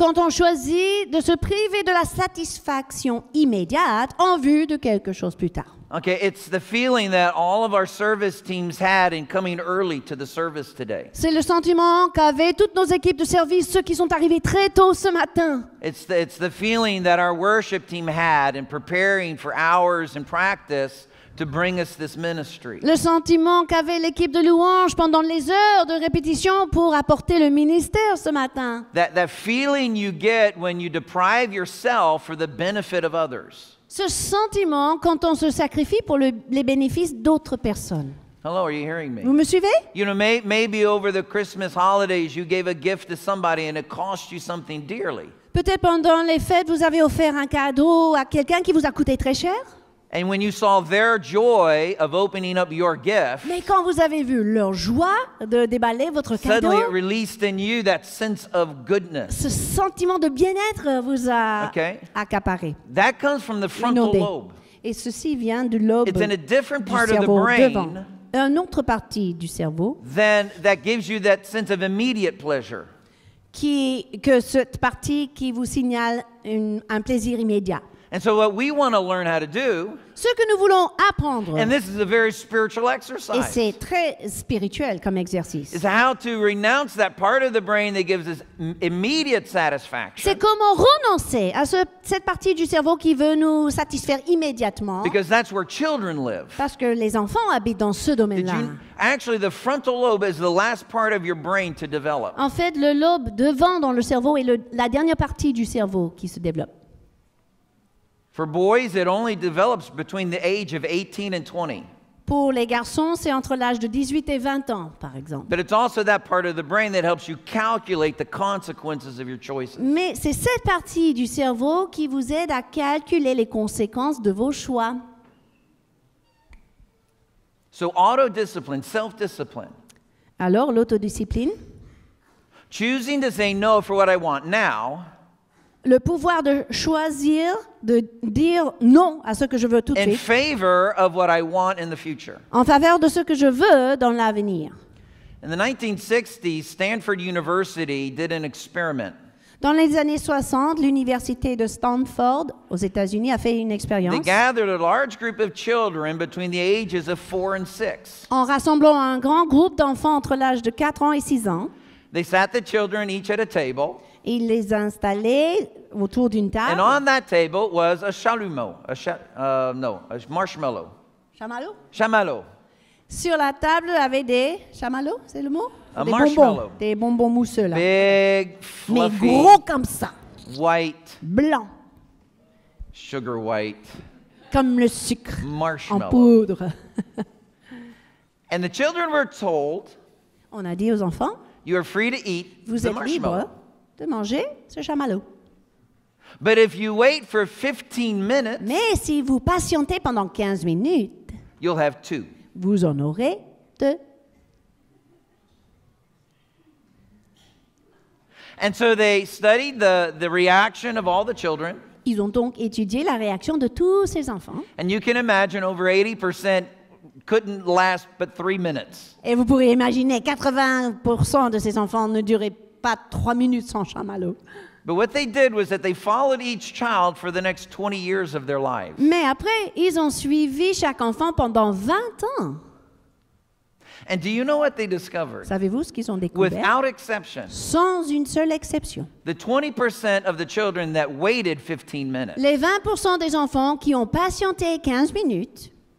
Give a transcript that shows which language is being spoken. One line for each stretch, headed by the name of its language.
French: Quand on choisit de se priver de la satisfaction immédiate en vue de quelque chose plus tard.
English: Okay, it's the feeling that all of our service teams had in coming early to the service today.
French: C'est le sentiment qu'avaient toutes nos équipes de service, ceux qui sont arrivés très tôt ce matin.
English: It's the feeling that our worship team had in preparing for hours in practice to bring us this ministry.
French: Le sentiment qu'avait l'équipe de louange pendant les heures de répétition pour apporter le ministère ce matin.
English: That feeling you get when you deprive yourself for the benefit of others.
French: Ce sentiment quand on se sacrifie pour les bénéfices d'autres personnes.
English: Hello, are you hearing me?
French: Vous me suivez?
English: You know, maybe over the Christmas holidays you gave a gift to somebody and it cost you something dearly.
French: Peut-être pendant les fêtes vous avez offert un cadeau à quelqu'un qui vous a coûté très cher.
English: And when you saw their joy of opening up your gift,
French: mais quand vous avez vu leur joie de déballer votre cadeau,
English: suddenly it released in you that sense of goodness.
French: Ce sentiment de bien-être vous a accaparé.
English: That comes from the frontal lobe.
French: Et ceci vient du lobe.
English: It's in a different part of the brain.
French: Une autre partie du cerveau.
English: Then that gives you that sense of immediate pleasure.
French: Que cette partie qui vous signale un plaisir immédiat.
English: And so what we want to learn how to do,
French: ce que nous voulons apprendre,
English: and this is a very spiritual exercise,
French: et c'est très spirituel comme exercice,
English: is how to renounce that part of the brain that gives us immediate satisfaction.
French: C'est comment renoncer à cette partie du cerveau qui veut nous satisfaire immédiatement.
English: Because that's where children live.
French: Parce que les enfants habitent dans ce domaine-là.
English: Actually, the frontal lobe is the last part of your brain to develop.
French: En fait, le lobe devant dans le cerveau est la dernière partie du cerveau qui se développe.
English: For boys, it only develops between the age of 18 and 20.
French: Pour les garçons, c'est entre l'âge de 18 et 20 ans, par exemple.
English: But it's also that part of the brain that helps you calculate the consequences of your choices.
French: Mais c'est cette partie du cerveau qui vous aide à calculer les conséquences de vos choix.
English: So auto-discipline, self-discipline.
French: Alors l'autodiscipline.
English: Choosing to say no for what I want now.
French: Le pouvoir de choisir de dire non à ce que je veux tout de suite.
English: In favor of what I want in the future.
French: En faveur de ce que je veux dans l'avenir.
English: In the 1960s, Stanford University did an experiment.
French: Dans les années 60, l'université de Stanford aux États-Unis a fait une expérience.
English: They gathered a large group of children between the ages of 4 and 6.
French: En rassemblant un grand groupe d'enfants entre l'âge de 4 ans et 6 ans.
English: They sat the children each at a table.
French: Il les installait autour d'une table.
English: And on that table was a chalumeau, a marshmallow.
French: Chamallow? Chamallow. Sur la table avait des chamallows, c'est le mot?
English: A
French: des
English: marshmallow.
French: Bonbons, des bonbons mousseux là.
English: Big, fluffy.
French: Mais gros comme ça.
English: White.
French: Blanc.
English: Sugar white.
French: Comme le sucre.
English: Marshmallow.
French: En poudre.
English: And the children were told.
French: On a dit aux enfants.
English: You are free to eat
French: vous
English: the
French: êtes
English: marshmallow.
French: Libre. De manger ce chamallow.
English: But if you wait for 15 minutes,
French: mais si vous patientez pendant 15 minutes,
English: you'll have two.
French: Vous en aurez deux.
English: And so they studied the reaction of all the children.
French: Ils ont donc étudié la réaction de tous ces enfants.
English: And you can imagine over 80% couldn't last but 3 minutes.
French: Et vous pourriez imaginer 80% de ces enfants ne duraient pas 3 minutes sans chamallow.
English: But what they did was that they followed each child for the next 20 years of their lives.
French: Mais après, ils ont suivi chaque enfant pendant 20 ans.
English: And do you know what they discovered?
French: Savez-vous ce qu'ils ont découvert?
English: Without exception.
French: Sans une seule exception.
English: The 20% of the children that waited 15 minutes.
French: Les 20% des enfants qui ont patienté 15 minutes.